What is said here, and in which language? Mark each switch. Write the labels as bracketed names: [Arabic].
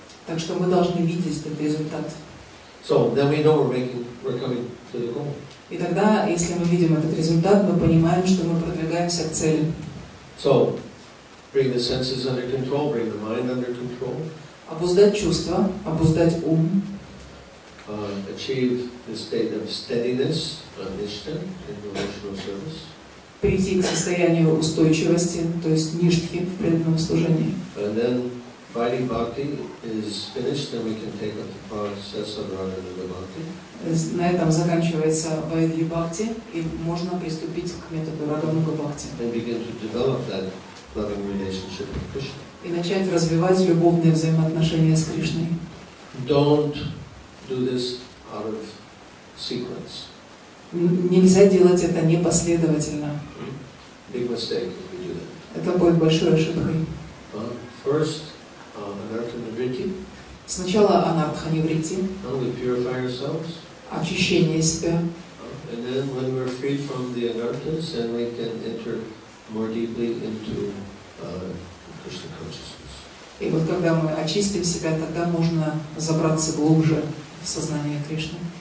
[Russian] Так что мы должны видеть этот результат. [English] So then we know we're coming to the goal. [Russian] И тогда, если мы видим этот результат, мы понимаем, что мы продвигаемся к цели. [English] So bring the senses under control, bring the mind under control. [Russian] Обуздать чувства, обуздать ум. [English] Achieve the state of steadiness, nishtha in devotional service. [Russian] Прийти к состоянию устойчивости, то есть ништхи в преданном служении. [English] And then Vaidhi Bhakti is finished, then we can take up the process of Radha-Nuga Bhakti. [Russian] На этом заканчивается Vaidhi Bhakti, и можно приступить к методу Radha-Nuga Bhakti. [English] And begin to develop that loving relationship with Krishna. [Russian] И начать развивать любовные взаимоотношения с Кришной. [English] Don't do this out of sequence. [Russian] Нельзя делать это непоследовательно. [English] Big mistake if we do that. [Russian] Это будет большой ошибкой. [English] First, anarthanivritti. [Russian] Сначала анартханивритти. [English] We purify ourselves. [Russian] Очищение себя. [English] And then when we're freed from the anarthas, then we can enter more deeply into Krishna consciousness. [Russian] И вот когда мы очистим себя, тогда можно забраться глубже в сознание Кришны.